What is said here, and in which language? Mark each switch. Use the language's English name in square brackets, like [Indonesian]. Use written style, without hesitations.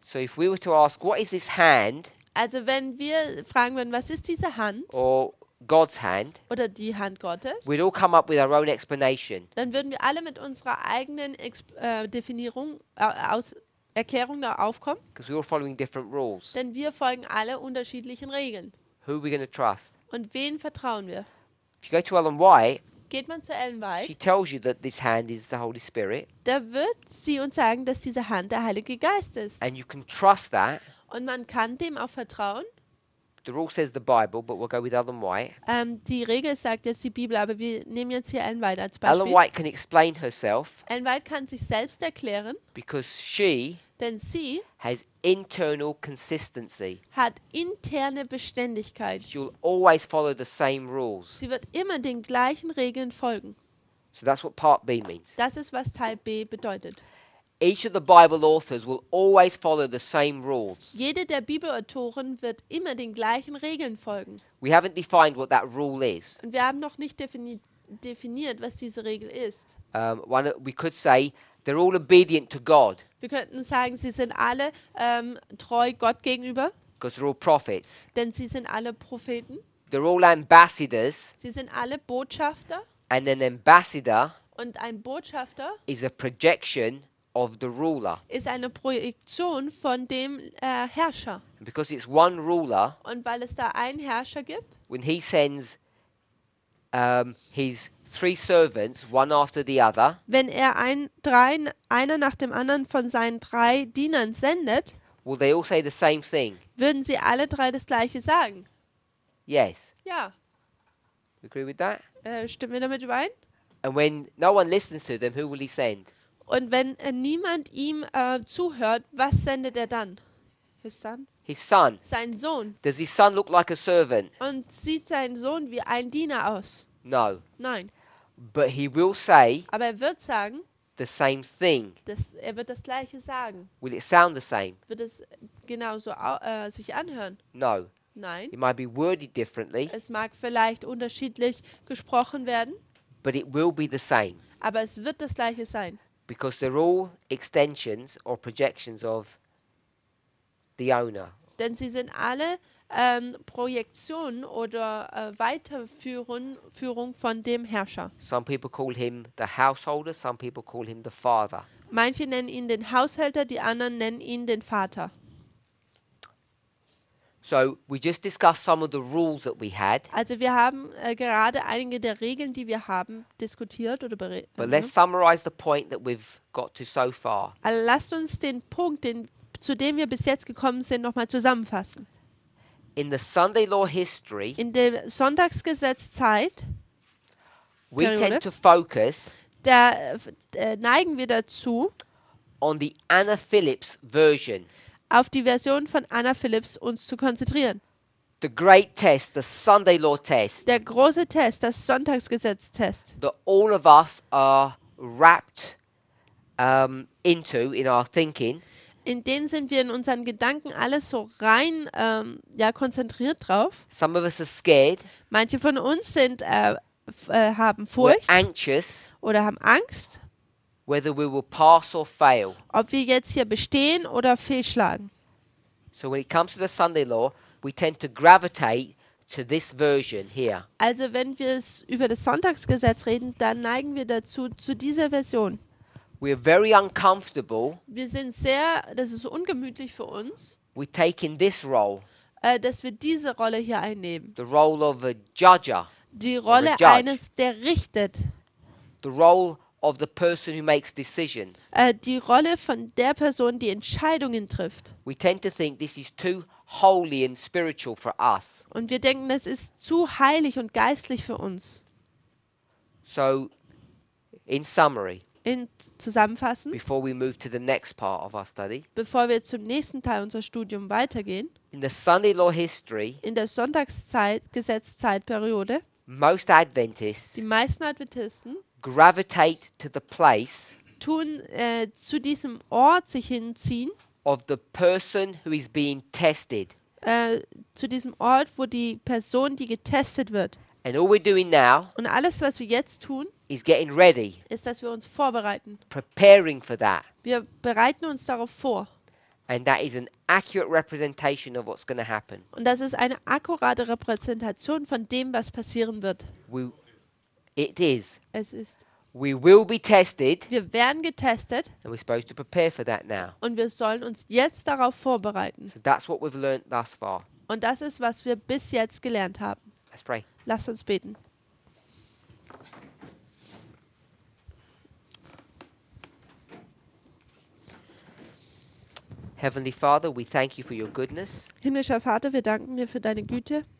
[English] So if we were to ask, what is this hand? [German] Also wenn wir fragen würden, was ist diese Hand? [English] Or God's hand. [German] Oder die Hand Gottes. [English] We'd all come up with our own explanation. [German] Dann würden wir alle mit unserer eigenen Definierung aus Erklärung da aufkommen. [English] Because we were following different rules. [German] Denn wir folgen alle unterschiedlichen Regeln. [English] Who are we going to trust? [German] Und wen vertrauen wir? [English] If you go to Ellen White. [German] Geht man zu Ellen White. [English] She tells you that this hand is the Holy Spirit. [German] Da wird sie uns sagen, dass diese Hand der Heilige Geist ist. [English] And you can trust that. [German] Und man kann dem auch vertrauen. [English] The rule says the Bible, but we'll go with Ellen White. [German] Die Regel sagt jetzt die Bibel, aber wir nehmen jetzt hier Ellen White als Beispiel. [English] Ellen White can explain herself. [German] Ellen White kann sich selbst erklären. [English] Because she. [German] Denn sie. [English] Has internal consistency. [German] Hat interne Beständigkeit. [English] She'll always follow the same rules. [German] Sie wird immer den gleichen Regeln folgen. [English] So that's what Part B means. [German] Das ist was Teil B bedeutet. [English] Each of the Bible authors will always follow the same rules. [German] Jede der Bibelautoren wird immer den gleichen Regeln folgen. [English] We haven't defined what that rule is. [German] Und wir haben noch nicht definiert, was diese Regel ist. [English] We could say they're all obedient to God. [German] Wir könnten sagen, sie sind alle treu Gott gegenüber. [English] Because they're all prophets. [German] Denn sie sind alle Propheten. [English] They're all ambassadors. [German] Sie sind alle Botschafter. [English] And an ambassador. [German] Und ein Botschafter. [English] Is a projection. Of the ruler. [German] Ist eine Projektion von dem Herrscher. [English] Because it's one ruler. [German] Und weil es da einen Herrscher gibt. [English] When he sends his three servants one after the other. [German] Wenn er einer nach dem anderen von seinen drei Dienern sendet. [English] Will they all say the same thing? [German] Würden sie alle drei das gleiche sagen? [English] Yes. [German] Ja. [English] Agree with that? [German] Stimmen wir damit überein? [English] And when no one listens to them, who will he send? [German] Und wenn niemand ihm zuhört, was sendet er dann? [English] His son? His son. [German] Sein Sohn. [English] Does his son look like a servant? [German] Und sieht sein Sohn wie ein Diener aus? [English] No. [German] Nein. [English] But he will say. [German] Aber er wird sagen. [English] The same thing. [German] Er wird das gleiche sagen. [English] Will it sound the same? [German] Wird es genauso sich anhören? [English] No. [German] Nein. [English] It might be worded differently. [German] Es mag vielleicht unterschiedlich gesprochen werden. [English] But it will be the same. [German] Aber es wird das gleiche sein. [English] Because they're all extensions or projections of the owner. [German] Denn sie sind alle Projektionen oder Weiterführung von dem Herrscher. [English] Some people call him the householder, some people call him the father. [German] Manche nennen ihn den Haushälter, die anderen nennen ihn den Vater. [English] So we just discussed some of the rules that we had. [German] Also wir haben gerade einige der Regeln, die wir haben, diskutiert oder [English] But let's summarize the point that we've got to so far. [German] Also lasst uns den Punkt, zu dem wir bis jetzt gekommen sind, nochmal zusammenfassen. [English] In the Sunday law history. [German] In der Sonntagsgesetzzeit. [English] We tend to focus. [German] Da neigen wir dazu. [English] On the Anna Phillips version. [German] Auf die Version von Anna Phillips uns zu konzentrieren. [English] The great test, the Sunday law test. [German] Der große Test, das Sonntagsgesetz-Test. [English] That all of us are wrapped into in our thinking. [German] In den sind wir in unseren Gedanken alles so rein konzentriert drauf. [English] Some of us are scared. [German] Manche von uns sind haben Furcht. [English] We're anxious. [German] Oder haben Angst. [English] Whether we will pass or fail. [German] Ob wir jetzt hier bestehen oder fehlschlagen. [English] So when it comes to the Sunday law, we tend to gravitate to this version here. [German] Also wenn wir es über das Sonntagsgesetz reden, dann neigen wir dazu zu dieser Version. [English] We are very uncomfortable. [German] Wir sind sehr, das ist ungemütlich für uns. [English] We take in this role. [German] Dass wir diese Rolle hier einnehmen. [English] The role of a judger. [German] Die Rolle [English] a judge. [German] Eines, der richtet. [English] The role of the person who makes decisions. [German] Die Rolle von der Person, die Entscheidungen trifft. [English] We tend to think this is too holy and spiritual for us. [German] Und wir denken, das ist zu heilig und geistlich für uns. [English] So, in summary. [German] in zusammenfassen. [English] Before we move to the next part of our study. [German] Bevor wir zum nächsten Teil unser Studium weitergehen. [English] In the Sunday law history. [German] In der Sonntagszeit Gesetzzeitperiode. [English] Most Adventists. [German] Die meisten Adventisten. [English] Gravitate to the place. [German] Tun zu diesem Ort sich hinziehen. [English] Of the person who is being tested. [German] Zu diesem Ort, wo die Person, die getestet wird. [English] And all we're doing now. [German] Und alles, was wir jetzt tun. [English] Is getting ready. [German] Ist, dass wir uns vorbereiten. [English] Preparing for that. [German] Wir bereiten uns darauf vor. [English] And that is an accurate representation of what's going to happen. [German] Und das ist eine akkurate Repräsentation von dem, was passieren wird. Es ist. [English] We will be tested. [German] Wir werden getestet. [English] And we're supposed to prepare for that now. [German] Und wir sollen uns jetzt darauf vorbereiten. [English] So that's what we've learned thus far. [German] Und das ist, was wir bis jetzt gelernt haben. [English] Let's pray. [German] Lass uns beten. [English] Heavenly Father, we thank you for your goodness. [German] Himmlischer Vater, wir danken dir für deine Güte.